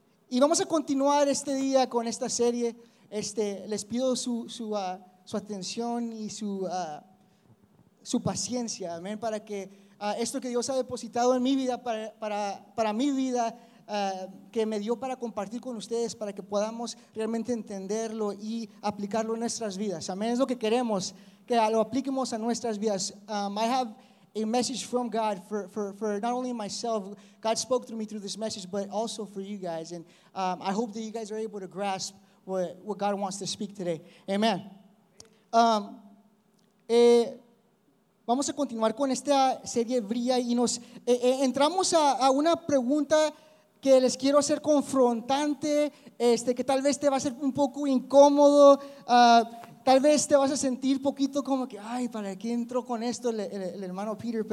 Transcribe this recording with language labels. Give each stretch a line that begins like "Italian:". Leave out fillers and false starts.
Spanish: Y vamos a continuar este día con esta serie. Les pido su atención y su paciencia, amén, para que esto que Dios ha depositado en mi vida, para mi vida, que me dio para compartir con ustedes, para que podamos realmente entenderlo y aplicarlo en nuestras vidas. Amén, es lo que queremos, que lo apliquemos a nuestras vidas.
English: I have a message from God for not only myself. God spoke through me through this message, but also for you guys. And I hope that you guys are able to grasp what God wants to speak today. Amen.
Spanish: Vamos a continuar con esta serie Brilla y nos entramos a una pregunta que les quiero hacer confrontante, que tal vez te va a ser un poco incómodo, tal vez te vas a sentir poquito como que, ay, ¿para qué entró con esto el hermano Peter?